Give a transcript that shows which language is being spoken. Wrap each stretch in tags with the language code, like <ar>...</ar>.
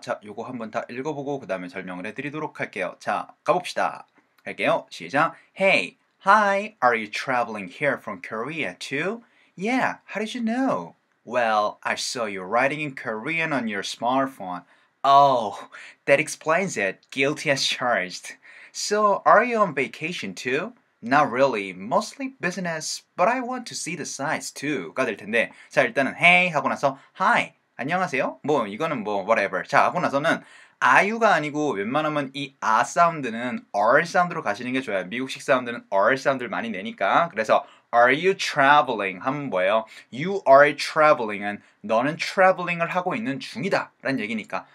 <ko>자, 요거 한번 다 읽어보고 그 다음에 설명을 해드리도록 할게요. 자, 가봅시다. 할게요. 시작.</ko> <en>Hey, hi, are you traveling here from Korea too? Yeah, how did you know? Well, I saw you writing in Korean on your smartphone. Oh, that explains it. Guilty as charged. So, are you on vacation too? Not really, mostly business, but I want to see the sights too.</en> <ko>가될 텐데. 자, 일단은 hey 하고 나서 hi. 안녕하세요? 뭐, 이거는 뭐, whatever. 자, 하고 나서는 are you가 아니고 웬만하면 이 아 사운드는 r 사운드로 가시는 게 좋아요. 미국식 사운드는 r 사운드를 많이 내니까. 그래서</ko> <en>are you traveling?</en> <ko>하면 뭐예요?</ko> <en>You are traveling</en> <ko>은 너는 traveling을 하고 있는 중이다. 라는 얘기니까.</ko>